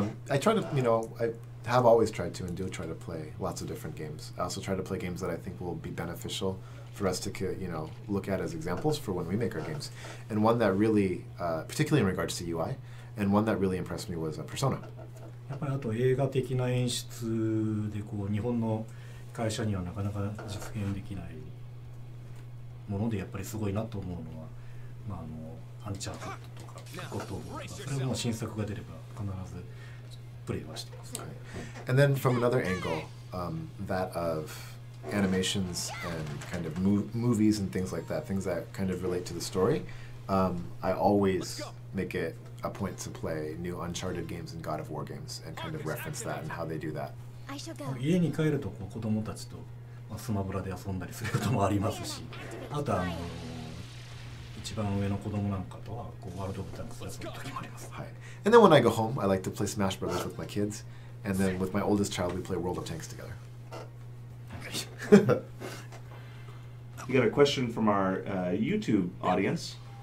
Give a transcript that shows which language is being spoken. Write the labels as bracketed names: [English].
[English] I try to, you know, I have always tried to and do try to play lots of different games. I also try to play games that I think will be beneficial for us to, you know, look at as examples for when we make our games. And one that really, particularly in regards to UI, and one that really impressed me was Persona. [Japanese] やっぱりあと映画的な演出でこう日本の会社にはなかなか実現できないものでやっぱりすごいなと思うのは、まああのアンチャーテッドとかゴッドオブとか、それも新作が出れば必ず。 [English] And then from another angle, that of animations and kind of movies and things like that, things that kind of relate to the story, I always make it a point to play new Uncharted games and God of War games and kind of reference that and how they do that. [Japanese] 家に帰ると子供たちとスマブラで遊んだりすることもありますし、あとあの一番上の子供なんかとはこうワールドオブタンクスやつの時もあります。はい。 [English] And then when I go home, I like to play Smash Brothers with my kids, and then with my oldest child, we play World of Tanks together. We got a question from our YouTube audience.